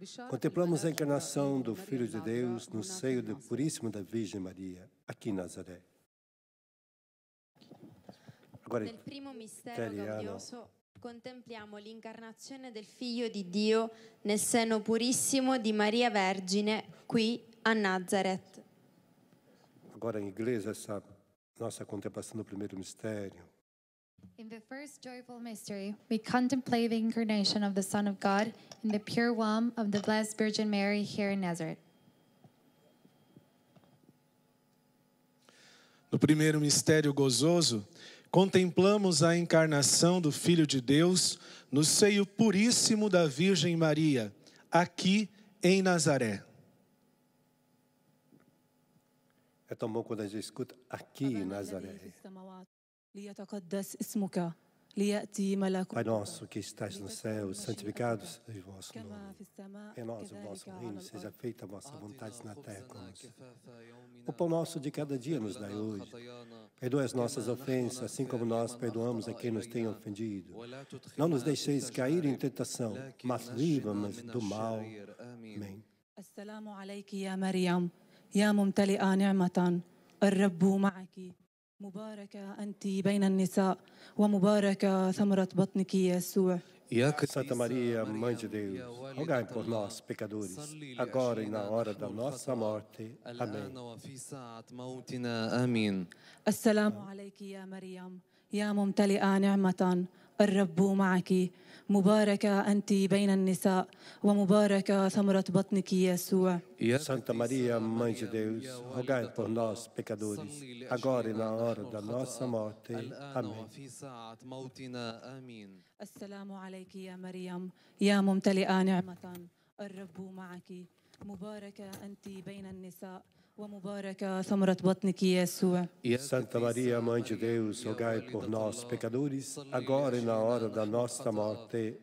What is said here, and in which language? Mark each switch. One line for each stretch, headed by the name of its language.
Portuguese: Contemplamos a encarnação do Filho de Deus no seio do Puríssimo da Virgem Maria, aqui em Nazaré. Agora,
Italian: nel primo mistério glorioso, contempliamo l'incarnazione del Figlio di Dio nel seno purissimo di Maria Vergine, qui a Nazaret.
Portuguese: Agora em inglês, essa nossa contemplação do primeiro mistério.
English: In the first joyful mystery, we contemplate the incarnation of the Son of God in the pure womb of the Blessed Virgin Mary here in Nazareth.
Portuguese: No primeiro mistério gozoso, contemplamos a encarnação do Filho de Deus no seio puríssimo da Virgem Maria, aqui em Nazaré. É tão bom quando a gente escuta aqui em Nazaré. Pai nosso que estás no céu, santificado seja o vosso nome. Venha a nós o vosso reino, seja feita a vossa vontade na terra como no céu. O pão nosso de cada dia nos dai hoje. Perdoa as nossas ofensas, assim como nós perdoamos a quem nos tem ofendido. Não nos deixeis cair em tentação, mas livra-nos do mal. Amém.
Arabic: Assalamu alaiki ya Maryam, ya mumtali'a ni'matan, ar-rabbu ma'aki. مباركة أنت بين النساء ومباركة ثمرة بطنك يسوع.
Portuguese: يا Santa Maria, Mãe de Deus, rogai por nós pecadores, agora e na hora da nossa morte. Amém.
Arabic: السلام عليك يا مريم يا ممتلئة نعمة الرب معك مباركة أنت بين النساء ومباركة ثمرة بطنك يسوع.
Portuguese: Santa Maria, Mãe de Deus, rogai por nós, pecadores, agora e na hora da nossa morte. Amém.
Arabic: السلام عليك يا مريم يا ممتلئة نعمة الرب معك مباركة أنت بين النساء ومباركة ثمرة بطنك يسوع.
Portuguese: Santa Maria, Mãe de Deus, rogai por nós, pecadores, agora e na hora da nossa morte.